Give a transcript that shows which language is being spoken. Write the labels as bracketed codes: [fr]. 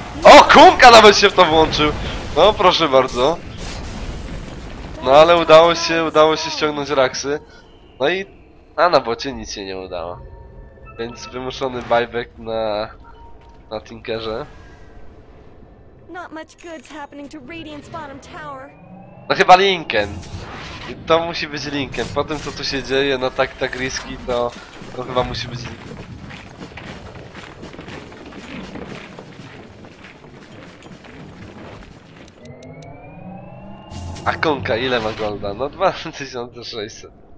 [pl] O, Kumka nawet się w to włączył! No proszę bardzo. No ale udało się ściągnąć Raxy. No i... A na bocie nic się nie udało. Więc wymuszony buyback na Tinkerze. [en] Not much good's happening to Radiant's bottom tower. [pl] No chyba Linken. I to musi być Linken. Po tym co tu się dzieje, no tak riski, to chyba musi być Linken. A Konka ile ma golda? No 2600.